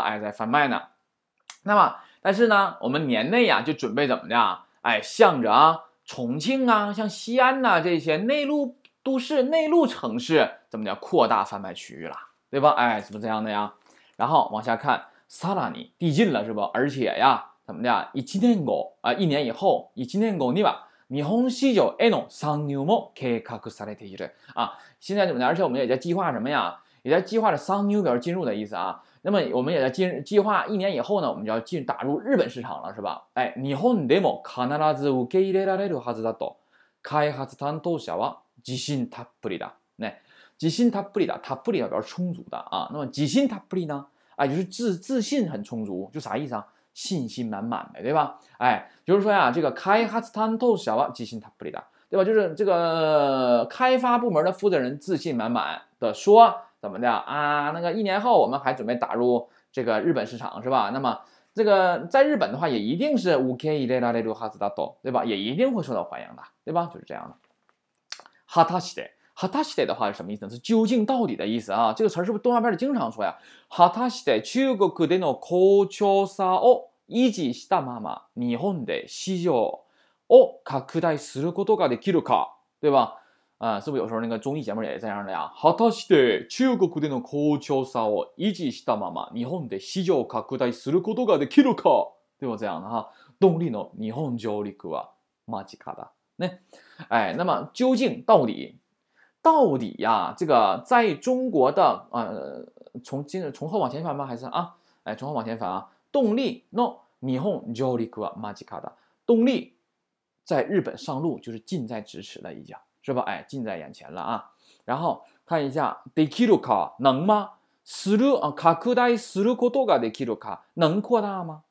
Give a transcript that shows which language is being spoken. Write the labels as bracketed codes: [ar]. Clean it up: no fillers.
[zh] 哎，在贩卖呢，那么。但是呢，我们年内啊就准备怎么的？哎，向着啊重庆啊、像西安呐、啊、这些内陆都市内陆城市怎么叫扩大贩卖区域了，对吧？哎，怎么这样的呀？然后往下看，萨拉尼递进了是吧？而且呀，怎么的？一年以后， [ja] には日本市場への参入も計画されている啊。 [zh] 现在怎么的？而且我们也在计划什么呀？也在计划着参入，表示进入的意思啊。那么我们也在计划一年以后呢，我们就要进打入日本市场了，是吧？ [ja] 哎，日本でも必ず受け入れられるはずだと開発担当者は自信たっぷりだ。 [zh] 네， [ja] 自信たっぷりだ，たっぷり [zh] 表示充足的啊。那么 [ja] 自信たっぷり [zh] 呢？哎，就是自信很充足，就啥意思啊？信心满满的，对吧？哎，就是说呀，这个开发担当者 [ja] は自信たっぷりだ， [zh] 对吧？就是这个开发部门的负责人自信满满的说。怎么的啊？那个一年后我们还准备打入这个日本市场，是吧？那么这个在日本的话，也一定是 [ja] 受け入れられるはずだと， [zh] 对吧？也一定会受到欢迎的，对吧？就是这样的。 [ja] 果たして，果たして [zh] 的话是什么意思呢？是究竟到底的意思啊。这个词是不是动画片里经常说呀？ [ja] 果たして中国での好調さを維持したまま日本で市場を拡大することができるか，对吧？ [zh] 啊，是不是有时候那个综艺节目也是这样的呀？ [ja] 果たして中国での好調さを維持したまま日本で市場を拡大することができるか？对吧？这样的哈，动力の日本上陸は間近だ。 [zh] ね，哎，那么究竟到底，到底呀，这个在中国的从后往前翻吗？还是啊，哎，从后往前翻啊， [ja] 动力の日本上陸は間近だ。 [zh] 动力在日本上路就是近在咫尺的一家。是吧？哎，近在眼前了啊！然后看一下， [ja] できるか [zh] 能吗？ [ja] する [zh] 啊， [ja] 拡大することができるか [zh] 能扩大吗？